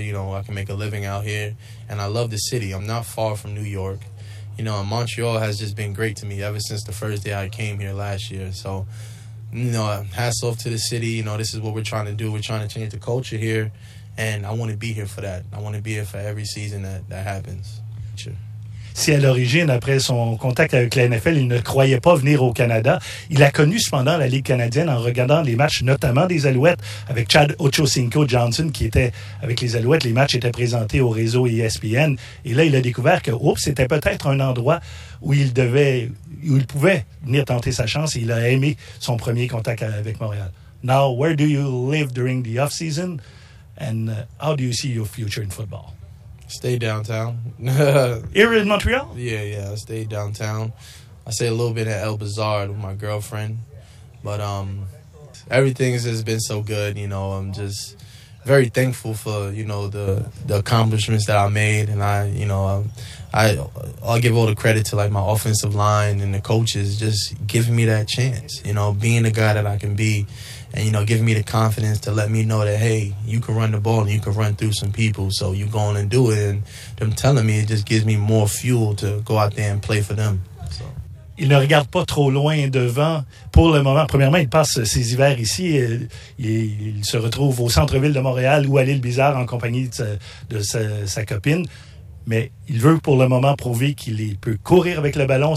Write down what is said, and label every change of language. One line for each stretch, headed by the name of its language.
English: You know, I can make a living out here. And I love the city. I'm not far from New York. You know, Montreal has just been great to me ever since the first day I came here last year. So you know, hats off to the city. You know, this is what we're trying to do. We're trying to change the culture here. And I want to be here for that. I want to be here for every season that happens. Sure.
French: Si à l'origine, après son contact avec la NFL, il ne croyait pas venir au Canada, il a connu cependant la Ligue canadienne en regardant les matchs, notamment des Alouettes, avec Chad Ochocinco-Johnson, qui était avec les Alouettes. Les matchs étaient présentés au réseau ESPN. Et là, il a découvert que, oups, c'était peut-être un endroit où il pouvait venir tenter sa chance. Et il a aimé son premier contact avec Montréal.
English: Now, where do you live during the off-season? And how do you see your future in football? Stay downtown. Here in Montreal? Yeah, I stay downtown. I stay a little bit at El Bazaar with my girlfriend. But everything has been so good, you know. I'm just very thankful for, you know, the accomplishments that I made. And I'll give all the credit to, like, my offensive line and the coaches just giving me that chance, you know, being the guy that I can be. And, you know, giving me the confidence to let me know that, hey, you can run the ball and you can run through some people. So you go on and do it. And them telling me, it just gives me more fuel to go out there and play for them. So.
French: Il ne regarde pas trop loin devant pour le moment. Premièrement, il passe ses hivers ici. Il se retrouve au centre-ville de Montréal ou à l'île Bizarre en compagnie de sa copine. Mais il veut pour le moment prouver qu'il peut courir avec le ballon.